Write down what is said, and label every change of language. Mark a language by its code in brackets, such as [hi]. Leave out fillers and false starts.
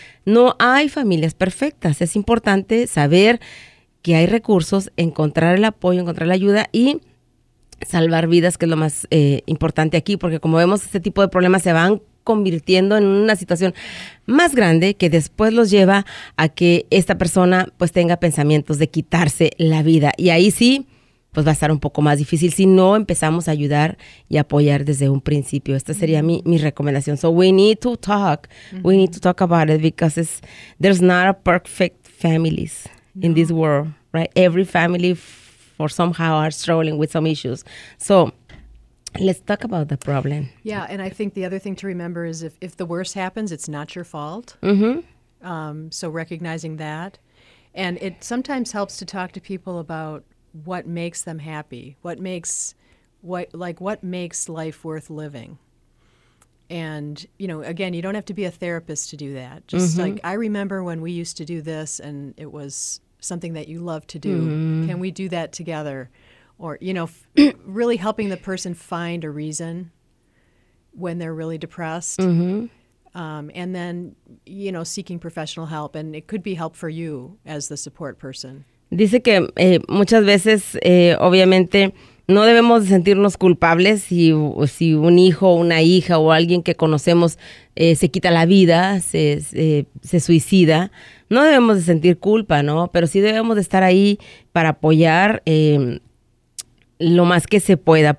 [es] No hay familias perfectas. Es importante saber que hay recursos, encontrar el apoyo, encontrar la ayuda y salvar vidas, que es lo más importante aquí, porque como vemos, este tipo de problemas se van convirtiendo en una situación más grande que después los lleva a que esta persona pues tenga pensamientos de quitarse la vida. Y ahí sí, pues va a estar un poco más difícil si no empezamos a ayudar y apoyar desde un principio. Esta sería mi recomendación. [en] So we need to talk. Mm-hmm. We need to talk about it, because there's not a perfect families. No. In this world, right? Every family for somehow are struggling with some issues. So let's talk about the problem. Yeah, and I think the other thing to remember is if the worst happens, it's not your fault. Mm-hmm. So recognizing that. And it sometimes helps to talk to people about what makes them happy. What makes life worth living? And, you know, again, you don't have to be a therapist to do that. Just mm-hmm. like, I remember when we used to do this and it was something that you love to do. Mm-hmm. Can we do that together? Or, you know, really helping the person find a reason when they're really depressed. Mm-hmm. And then, you know, seeking professional help. And it could be help for you as the support person. [es] Dice que muchas veces, obviamente, no debemos sentirnos culpables si un hijo, una hija o alguien que conocemos se quita la vida, se suicida. No debemos de sentir culpa, ¿no? Pero sí debemos de estar ahí para apoyar lo más que se pueda.